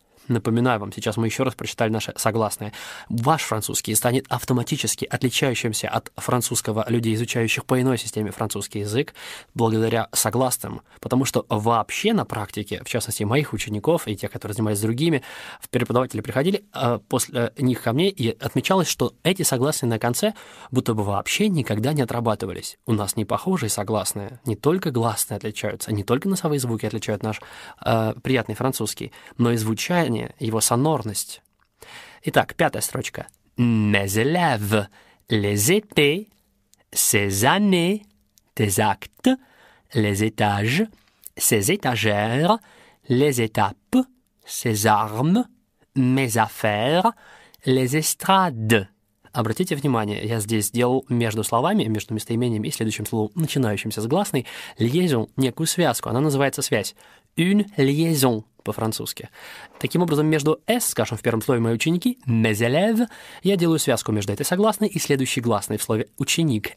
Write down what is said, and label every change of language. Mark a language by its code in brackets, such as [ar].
[ru] Напоминаю вам, сейчас мы еще раз прочитали наше согласное. Ваш французский станет автоматически отличающимся от французского людей, изучающих по иной системе французский язык, благодаря согласным, потому что вообще на практике, в частности, моих учеников и тех, которые занимались с другими, преподаватели приходили после них ко мне, и отмечалось, что эти согласные на конце будто бы вообще никогда не отрабатывались. У нас не похожие согласные, не только гласные отличаются, не только носовые звуки отличают наш приятный французский, но и звучание, его сонорность. Итак, пятая строчка. [fr] Mes élèves, les étés, ces années, tes actes, les étages, ces étagères, les étapes, ces armes, mes affaires, les estrades. [ru] Обратите внимание, я здесь сделал между словами, между местоимением и следующим словом, начинающимся с гласной, liaison, некую связку. Она называется связь. [fr] Une liaison. [ru] По-французски. Таким образом, между «s», скажем, в первом слове «мои ученики», [fr] «mes élèves», [ru] я делаю связку между этой согласной и следующей гласной в слове «ученик».